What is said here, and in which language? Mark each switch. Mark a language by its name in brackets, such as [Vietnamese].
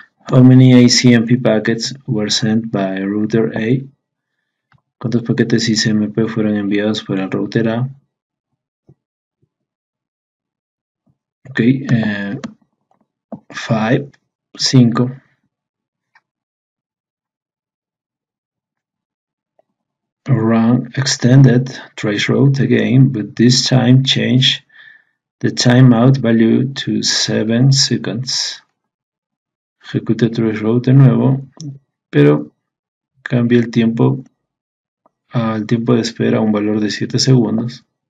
[English] How many ICMP packets were sent by router A? [Spanish] ¿Cuántos paquetes ICMP fueron enviados por el router A? [English] Ok, 5. 5. Run extended traceroute again, but this time change the timeout value to 7 seconds. [Spanish] Ejecute traceroute de nuevo, pero cambia el tiempo al tiempo de espera a un valor de 7 segundos.